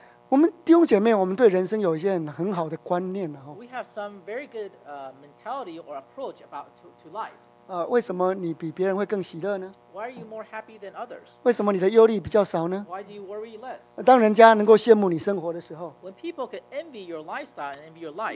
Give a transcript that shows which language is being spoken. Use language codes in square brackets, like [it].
[zh] 我们弟兄姐妹，我们对人生有一些很好的观念了哈。 [en] We have some very good mentality or approach about to life. [zh] 为什么你比别人会更喜乐呢 [en] ？Why are you more happy than others？ [zh] 为什么你的忧虑比较少呢 [en] ？Why do you worry less？ [zh] 当人家能够羡慕你生活的时候 [en] ，When people can envy your lifestyle and envy your life，